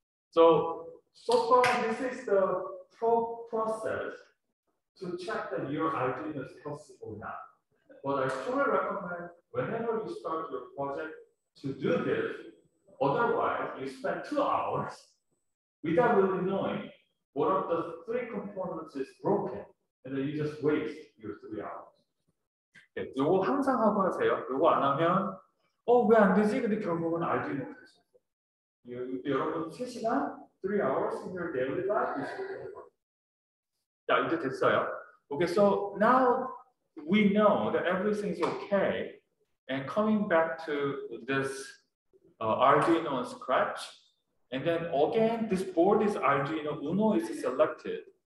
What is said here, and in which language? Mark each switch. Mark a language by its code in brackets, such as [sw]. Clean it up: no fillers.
[en] So far, this is the process to check that your Arduino is healthy or not. But I strongly recommend whenever you start your project to do this. Otherwise, you spend 2 hours without really knowing what of the three components is broken, and then you just waste your 3 hours. [ko] 네, 요거 항상 하고 하세요. 요거 안 하면 Oh, 왜 안 되지? 근데 결국은 알두이노 여러분 3시간? [en] 3 hours in your daily life? [ko] 자, 이제 됐어요. [en] Okay, so now we know that everything is okay. And coming back to this Arduino scratch, and then again, this board is Arduino Uno is selected.